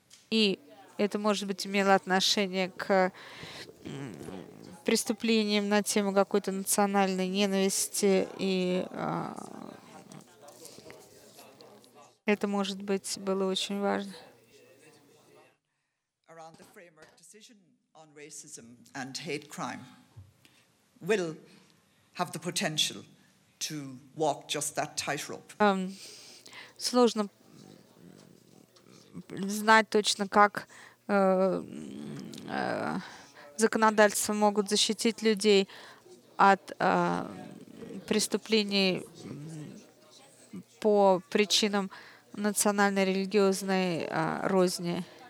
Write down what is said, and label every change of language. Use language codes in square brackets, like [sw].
[ru] И это, может быть, имело отношение к преступлениям на тему какой-то национальной ненависти, и это, может быть, было очень важно. [en] Around the framework decision on racism and hate crime will have the potential to walk just that tightrope. [ru] Сложно знать точно, как законодательства могут защитить людей от преступлений по причинам национальной религиозной розни.